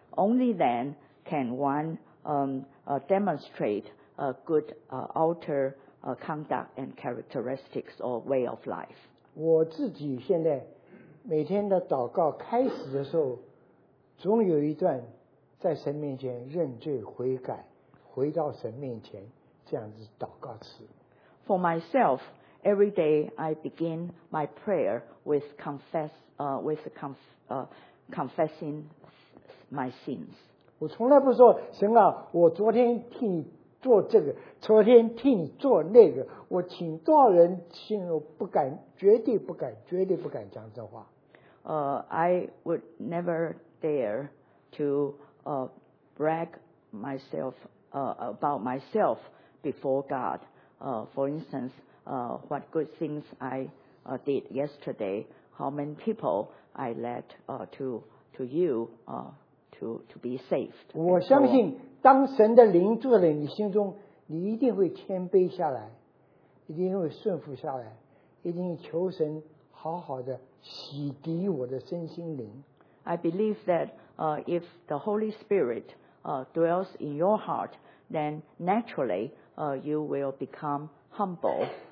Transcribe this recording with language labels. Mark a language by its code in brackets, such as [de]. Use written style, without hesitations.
[en] Only then can one demonstrate a good outer conduct and characteristics or way of life. [zh] 我自己现在每天的祷告开始的时候，总有一段在神面前认罪悔改，回到神面前这样子祷告词。 [en] For myself, every day I begin my prayer with confessing. My sins. [zh] 我从来不说神啊，我昨天替你做这个，昨天替你做那个，我请多少人，心我不敢，绝对不敢，绝对不敢讲这话。 [en] I would never dare to brag myself about myself before God. For instance, what good things I did yesterday, how many people I led to you. To be saved. [zh] 我相信当神的灵住在你心中，你一定会谦卑下来，一定会顺服下来，一定求神好好的洗涤我的身心灵。 [en] I believe that if the Holy Spirit dwells in your heart, then naturally you will become humble.